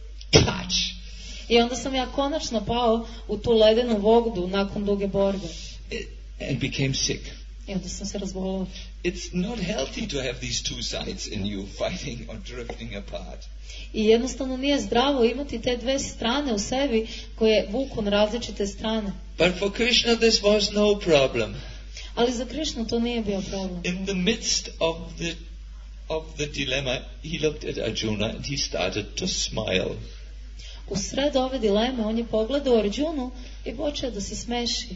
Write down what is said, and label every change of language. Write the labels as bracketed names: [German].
[English] Touch. [Serbian] I onda sam ja konačno pao u tu ledenu vodu nakon duge borbe. [English] And became sick. [Serbian] I onda sam se razbolao. [English] It's not healthy to have these two sides in you fighting or drifting apart. [Serbian] I jednostavno nije zdravo imati te dve strane u sebi koje vuku na različite strane. [English] But for Krishna this was no problem. [Serbian] Ali za Krishnu to nije bio problem. [English] In the midst of the dilemma, he looked at Arjuna and he started to smile. [Serbian] U sred ove dileme on je pogledao Arjunu i počeo da se smeši.